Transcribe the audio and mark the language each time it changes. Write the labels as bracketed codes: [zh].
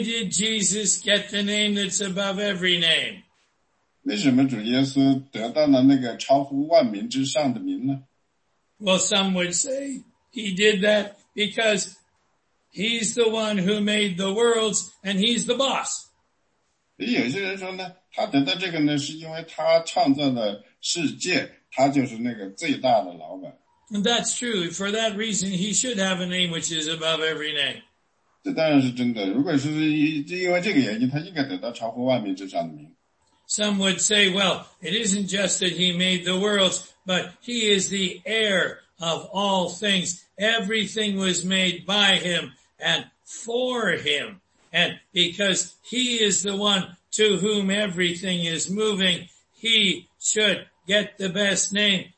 [en] did Jesus get the name that's above every name? [zh] 为什么主耶稣得到了那个超乎万名之上的名呢？ [en] Well, some would say he did that because he's the one who made the worlds and he's the boss. [zh] 有些人说呢，他得到这个呢，是因为他创造了世界，他就是那个最大的老板。 [en] And that's true. For that reason, he should have a name which is above every name. [zh] 这当然是真的。如果是因为这个原因，他应该得到超乎万民之上的名。 [en] Some would say, well, it isn't just that he made the worlds, but he is the heir of all things. Everything was made by him and for him. And because he is the one to whom everything is moving, he should get the best name.